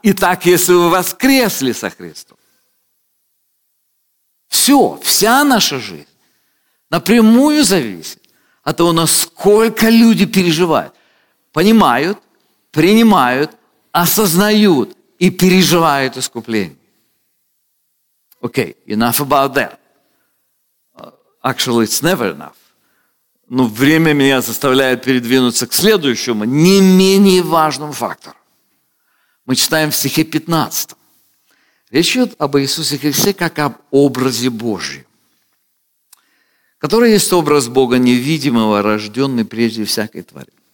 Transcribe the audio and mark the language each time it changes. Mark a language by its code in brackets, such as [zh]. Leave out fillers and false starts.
[ru] И так, если вы воскресли со Христом. Все, вся наша жизнь напрямую зависит от того, насколько люди переживают, понимают, принимают, осознают и переживают искупление. [en] Окей, enough about that. Actually, it's never enough. [ru] Но время меня заставляет передвинуться к следующему, не менее важному фактору. Мы читаем в стихе 15. Речь идет об Иисусе Христе как об образе Божьем, который есть образ Бога невидимого, рожденный прежде всякой твари.